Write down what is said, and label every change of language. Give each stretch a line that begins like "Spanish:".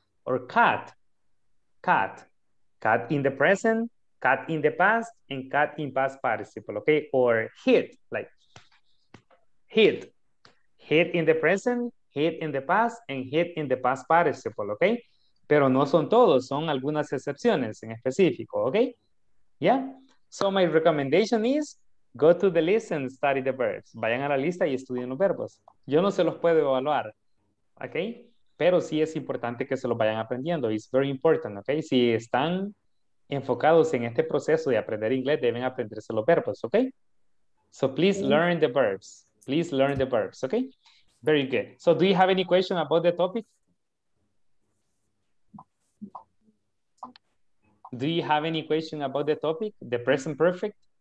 English: Or cut in the present, cut in the past, and cut in past participle, ¿ok? Or hit in the present, hit in the past, and hit in the past participle, ¿ok?
Spanish: Pero no son todos, son algunas excepciones en específico, ¿ok? ¿Ya?
English: So my recommendation is, go to the list and study the verbs.
Spanish: Vayan a la lista y estudien los verbos. Yo no se los puedo evaluar, ¿ok? Pero sí es importante que se los vayan aprendiendo.
English: It's very important,
Spanish: ¿ok? Si están enfocados en este proceso de aprender inglés, deben aprenderse los verbos, ¿ok?
English: So please learn the verbs. Please learn the verbs, ¿ok? Very good. So do you have any question about the topic? Do you have any question about the topic, the present perfect?